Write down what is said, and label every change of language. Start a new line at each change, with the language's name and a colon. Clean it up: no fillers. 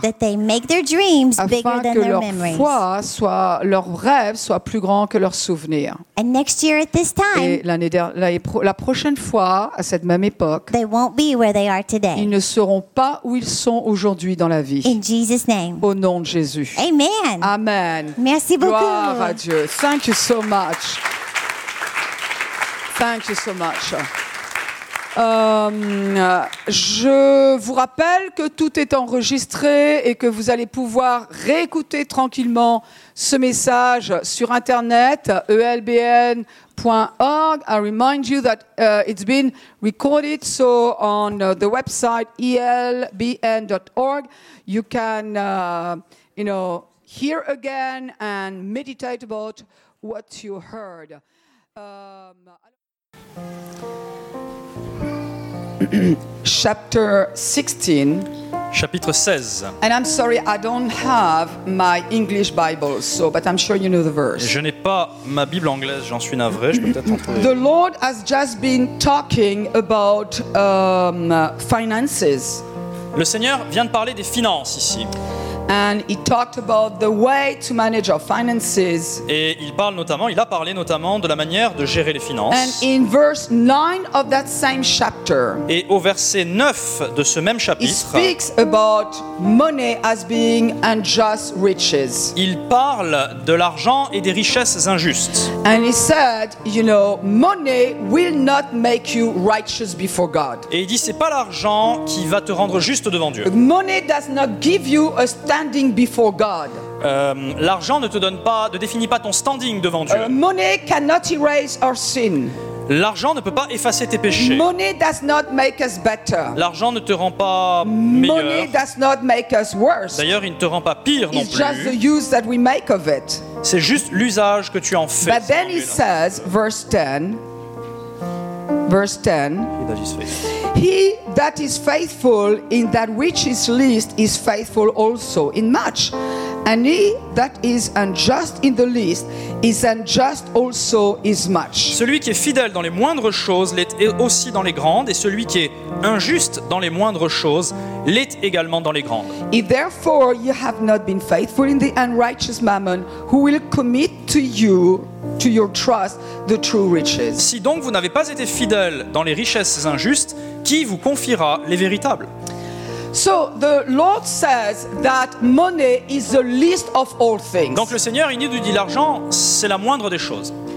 English: That they make their dreams bigger than their memories.
French: Afin que leur foi soit, leurs rêves soient plus grands que leurs souvenirs.
English: And next year at this time.
French: Et la prochaine fois à cette même époque.
English: They won't be where they are today.
French: Ils ne seront pas où ils sont aujourd'hui dans la vie.
English: In Jesus' name.
French: Au nom de Jésus.
English: Amen.
French: Amen. Merci beaucoup. Gloire à Dieu.
English: Thank you so much.
French: Thank you so much. Je vous rappelle que tout est enregistré et que vous allez pouvoir réécouter tranquillement ce message sur internet elbn.org.
English: I remind you that it's been recorded, so on the website elbn.org you can hear again and meditate about what you heard. Chapter 16.
French: Chapitre 16.
English: And I'm sorry, I don't have my English Bible, so but I'm sure you know the verse.
French: Je n'ai pas ma Bible anglaise, j'en suis navré, je peux peut-être en trouver.
English: The Lord has just been talking about finances.
French: Le Seigneur vient de parler des finances ici.
English: And he talked about the way to manage our finances.
French: Et il a parlé notamment de la manière de gérer les finances.
English: And in verse 9 of that same chapter.
French: Et au verset 9 de ce même chapitre.
English: He speaks about money as being unjust riches.
French: Il parle de l'argent et des richesses injustes.
English: And he said, you know, money will not make you righteous before God.
French: Et il dit c'est pas l'argent qui va te rendre juste devant Dieu.
English: Money does not give you a standing before God.
French: L'argent ne te donne pas, ne définit pas ton standing devant Dieu.
English: Money cannot erase our sin.
French: L'argent ne peut pas effacer tes péchés.
English: Money does not make us better.
French: L'argent ne te rend pas
English: money
French: meilleur.
English: Money does not make us worse.
French: D'ailleurs, il ne te rend pas pire
English: It's
French: non plus.
English: It's just the use that we make of it.
French: C'est juste l'usage que tu en fais.
English: But then he says, verse 10. He that is faithful in that which is least is faithful also in much. And he that is unjust in the least is unjust also in much.
French: Celui qui est fidèle dans les moindres choses l'est aussi dans les grandes, et celui qui est injuste dans les moindres choses l'est également dans les grandes.
English: If therefore you have not been faithful in the unrighteous mammon, who will commit to you to your trust the true riches?
French: Si donc vous n'avez pas été fidèle dans les richesses injustes, qui vous confiera les véritables?
English: So the Lord says that money is the least of all things.
French: Donc le Seigneur il nous dit l'argent c'est la moindre des choses.